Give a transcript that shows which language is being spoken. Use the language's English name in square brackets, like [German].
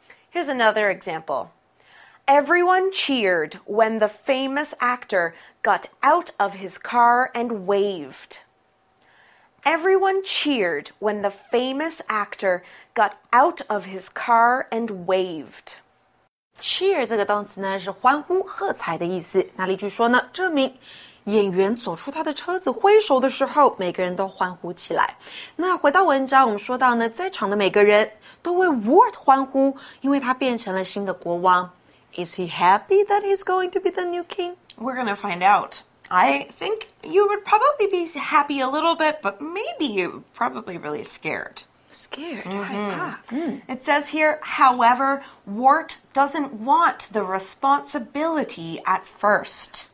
[English] Here's another example. Everyone cheered when the famous actor got out of his car and waved. Everyone cheered when the famous actor got out of his car and waved. [Chinese] Cheer 这个动词呢是欢呼喝彩的意思。那例句说呢，这名演员走出他的车子挥手的时候，每个人都欢呼起来。那回到文章，我们说到呢，在场的每个人都为 Wart 欢呼，因为他变成了新的国王。 [English] Is he happy that he's going to be the new king? We're gonna find out. I think you would probably be happy a little bit, but maybe you're probably really scared. Scared? Mm-hmm. It says here, however, Wart doesn't want the responsibility at first.